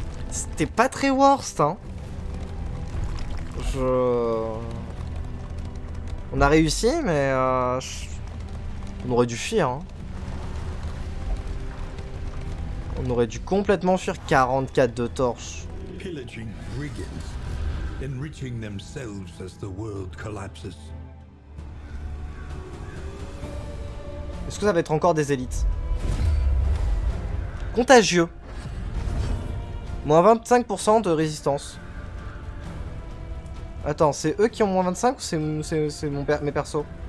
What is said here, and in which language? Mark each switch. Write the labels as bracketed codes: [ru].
[fr] C'était pas très worst, hein. Je... On a réussi, mais... On aurait dû fuir, hein. On aurait dû complètement fuir. 44 de torches. [en] Pillaging brigands, enriching themselves as the world collapses. [fr] Est-ce que ça va être encore des élites? Contagieux. Moins 25% de résistance. Attends, c'est eux qui ont moins 25 ou c'est mes persos?